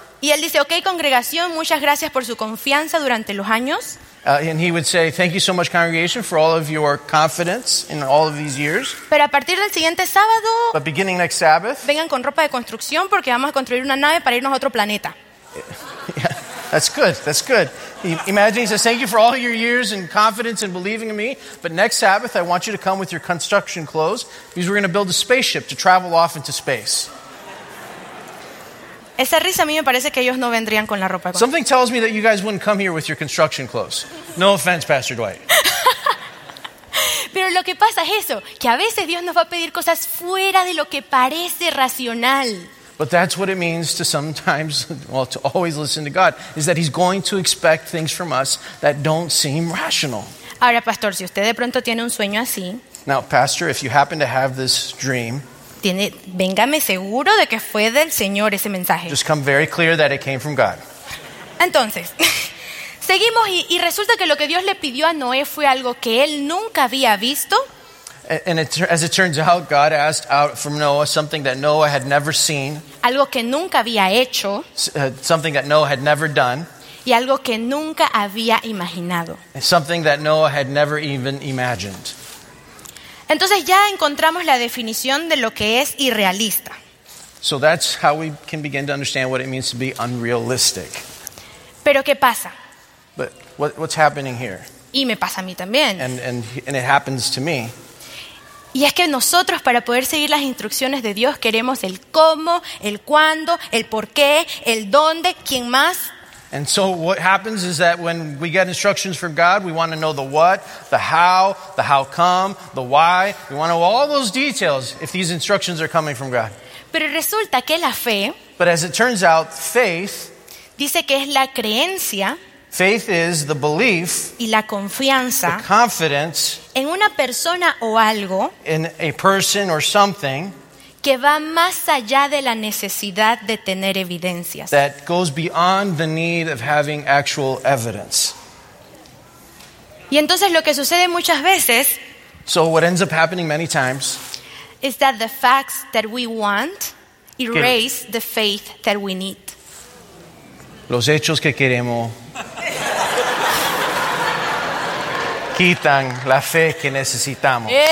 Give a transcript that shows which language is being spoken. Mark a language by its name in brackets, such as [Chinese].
[Spanish] Y él dice, okay, congregación, muchas gracias por su confianza durante los años. [English] And he would say, thank you so much, congregation, for all of your confidence in all of these years. [Spanish] Pero a partir del siguiente sábado. [English] But beginning next Sabbath. [Spanish] Vengan con ropa de construcción porque vamos a construir una nave para irnos a otro planeta. [English] Yeah, that's good. That's good. Imagine he says, thank you for all your years and confidence in believing in me. But next Sabbath, I want you to come with your construction clothes because we're going to build a spaceship to travel off into space. [Spanish] Esa risa a mí me parece que ellos no vendrían con la ropa. [English] Something tells me that you guys wouldn't come here with your construction clothes. No offense, Pastor Dwight. [Spanish] Pero lo que pasa es eso, que a veces Dios nos va a pedir cosas fuera de lo que parece racional. [English] But that's what it means to sometimes, well, to always listen to God, is that he's going to expect things from us that don't seem rational. [Spanish] Ahora, pastor, si usted de pronto tiene un sueño así. [English] Now, pastor, if you happen to have this dream, [Spanish] véngame seguro de que fue del Señor ese mensaje. [English] Just come very clear that it came from God. [Spanish] Entonces, seguimos y resulta que lo que Dios le pidió a Noé fue algo que él nunca había visto. [English] And as it turns out, God asked out from Noah something that Noah had never seen. [Spanish] Algo que nunca había hecho. [English] Something that Noah had never done. [Spanish] Y algo que nunca había imaginado. [English] Something that Noah had never even imagined. [Spanish] Entonces ya encontramos la definición de lo que es irrealista. [English] So that's how we can begin to understand what it means to be unrealistic. [Spanish] Pero ¿qué pasa? [English] But what's happening here? [Spanish] Y me pasa a mí también. [English] And it happens to me. [Spanish] Y es que nosotros, para poder seguir las instrucciones de Dios, queremos el cómo, el cuándo, el por qué, el dónde, quién más. [English] And so what happens is that when we get instructions from God, we want to know the what, the how come, the why. We want to know all those details if these instructions are coming from God. [Spanish] Pero resulta que la fe, [English] but as it turns out, faith, [Spanish] dice que es la creencia. [English] Faith is the belief, [Spanish] y la confianza, [English] the confidence, [Spanish] en una persona o algo, [English] in a person or something, [Spanish] que va más allá de la necesidad de tener evidencias. [English] That goes beyond the need of having actual evidence. [Spanish] Y entonces lo que sucede muchas veces, [English] so what ends up happening many times, is that the facts that we want erase the faith that we need. [Spanish] Los hechos que queremos quitan la fe que necesitamos.